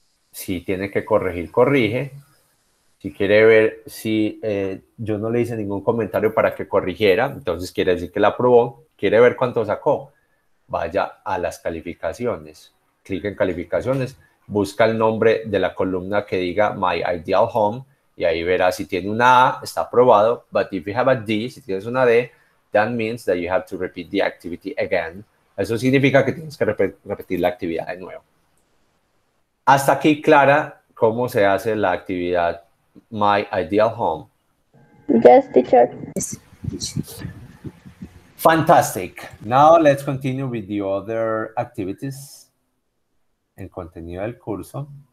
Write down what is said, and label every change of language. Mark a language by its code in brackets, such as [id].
[es] Si tiene que corregir, corrige. Si quiere ver si yo no le hice ningún comentario para que corrigiera, entonces quiere decir que la aprobó. ¿Quiere ver cuánto sacó? Vaya a las calificaciones. Clic en calificaciones. Busca el nombre de la columna que diga My Ideal Home. Y ahí verá si tiene una A, está aprobado. [en] But if you have a D, [es] si tienes una D, [en] that means that you have to repeat the activity again. [es] Eso significa que tienes que repetir la actividad de nuevo. Hasta aquí, Clara, ¿cómo se hace la actividad My Ideal Home? [en] Yes, teacher. Fantastic. Now let's continue with the other activities [es] en contenido del curso.